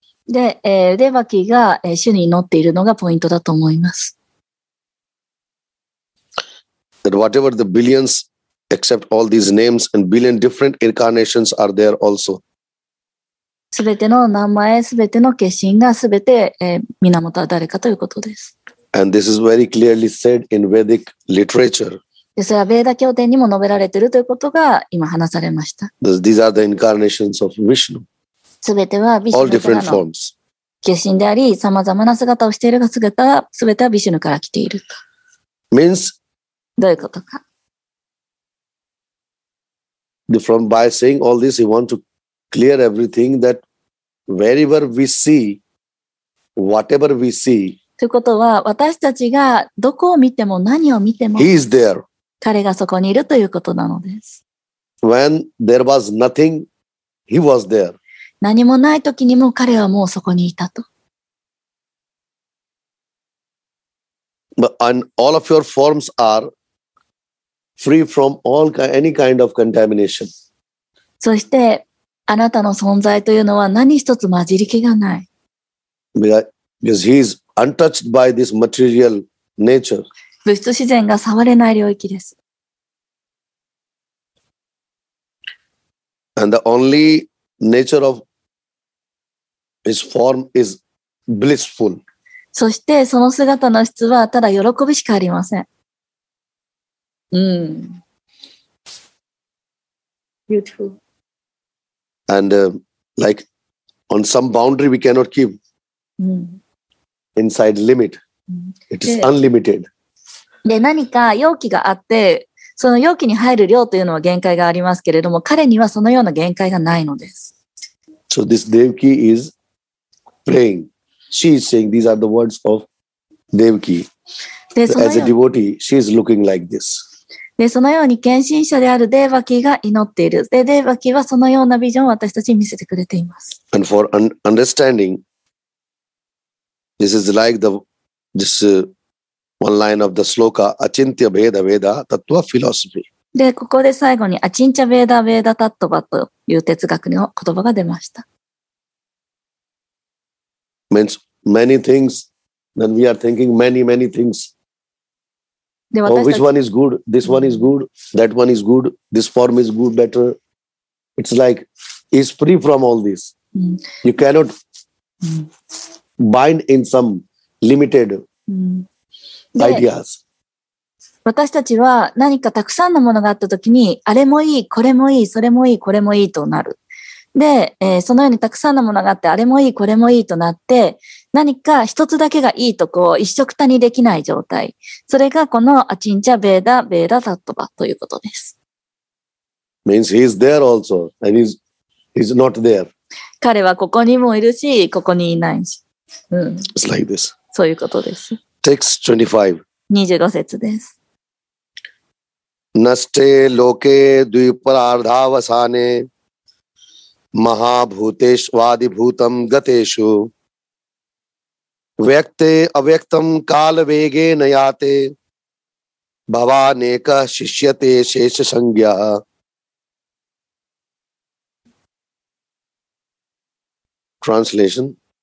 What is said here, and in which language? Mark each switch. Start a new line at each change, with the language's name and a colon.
Japanese: で、デバキが主に祈っているのがポイントだと思います。
English: That whatever the billions, except all these names and billion different incarnations are there also.
Japanese: すべての名前、すべての化身がすべて、源は誰かということです。
English: And this is very clearly said in Vedic literature.
Japanese: それはヴェーダ経典にも述べられているということが今話されました。
English: These are the incarnations of Vishnu.
Japanese: すべてはヴィシュヌからの化身であり、さまざまな姿をしているが姿はすべてはヴィシュヌから来ていると。
English: Means.
Japanese: どういうことか。
English: From by saying all this, he want to clear everything that wherever we see, whatever we see,
Japanese: ということは私たちがどこを見ても何を見ても
English: He is there.
Japanese: 彼がそこにいるということなのです。
English: When there was nothing, he was there.
Japanese: 何もない時にも彼はもうそこにいたと。
English: But, and all of your forms are free from all kind, any kind of contamination.
Japanese: そしてあなたの存在というのは何一つ混じり気がない。
English: Because he is untouched by this material nature.
Japanese: 物質自然が触れない領域です。
English: And the only nature of his form is blissful.
Japanese: そしてその姿の質はただ喜びしかありません。うん。
English: Beautiful. And like on some boundary we cannot keep. うん。 Inside limit. It is unlimited.
Japanese: で、何か容器があって、その容器に入る量というのは限界がありますけれども、彼にはそのような限界がないのです。
English: So this Devaki is praying. She is saying these are the words of Devaki. As a devotee, she is looking like this.
Japanese: で、そのように献身者であるデーバキが祈っている。で、デーバキはそのようなビジョンを私たちに見せてくれています。
English: And for understanding,This is like the this one line of the sloka, Achintya Veda Veda Tattva Philosophy.
Japanese: で、ここで最後に、アチンチャ・ベーダ・ベーダ・タットバという哲学の言葉が出ました。
English: Means many things, then we are thinking many, many things. Oh, which one is good? This one is good, that one is good, this form is good, better. It's like, is free from all this. You cannot... Bind in some limited ideas.
Japanese: 私たちは何かたくさんのものがあったときに、あれもいい、これもいい、それもいい、これもいいとなる。で、そのようにたくさんのものがあって、あれもいい、これもいいとなって、何か一つだけがいいとこう一緒くたにできない状態。それがこのアチンチャ・ベーダ・ベーダ・タットバということです。
English: Means he is there also, and he's not there.
Japanese: 彼はここにもいるし、ここにいないし。
English: うん、It's like this.
Japanese: そういうことです。
English: Text 25.
Japanese: 25節です。
Sanskrit: ナステロケドゥイプラアルダーヴァサネマハブーテシュワディブータムガテシュウヴェクテアヴェクタムカールヴェゲナヤテババネカシシヤテシェシャサンギャ
English: Translation.